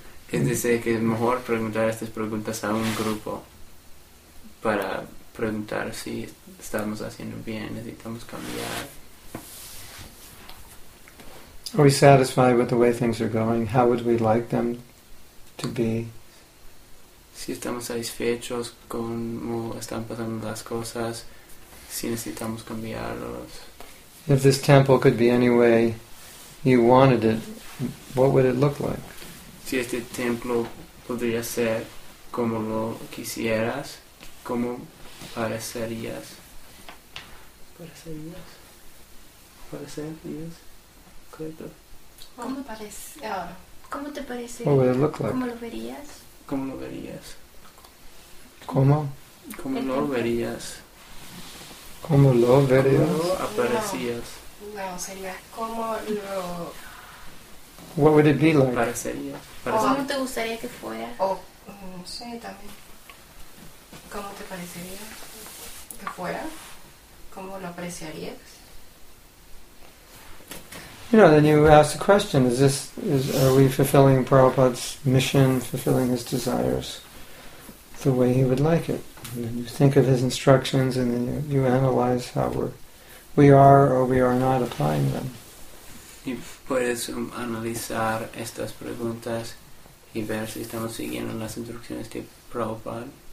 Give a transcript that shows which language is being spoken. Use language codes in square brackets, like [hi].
[es] Él dice que es mejor preguntar estas preguntas a un grupo para preguntar si estamos haciendo bien, necesitamos cambiar. [en] Are we satisfied with the way things are going? How would we like them to be? [es] Si estamos satisfechos con cómo están pasando las cosas, si necesitamos cambiarlos. [en] If this temple could be any way you wanted it, what would it look like? [es] Si este templo podría ser como lo quisieras, ¿cómo parecerías? ¿Parecerías? ¿Parecerías? ¿Correcto? ¿Cómo parece? ¿Cómo te parece? [en] What would it look like? [es] ¿Cómo lo verías? ¿Cómo lo verías? ¿Cómo? ¿Cómo lo verías? ¿Cómo lo verías? ¿Cómo lo aparecías? No, sería como lo... [en] What would it be like? [es] Parecería. ¿Cómo te gustaría que fuera? No sé, también. ¿Cómo te parecería que fuera? ¿Cómo lo apreciarías? [en] You know, then you ask the question, are we fulfilling Prabhupada's mission, fulfilling his desires the way he would like it? And then you think of his instructions and then you analyze how we are or we are not applying them. [es] Y puedes analizar estas preguntas y ver si estamos siguiendo las instrucciones de Prabhupada.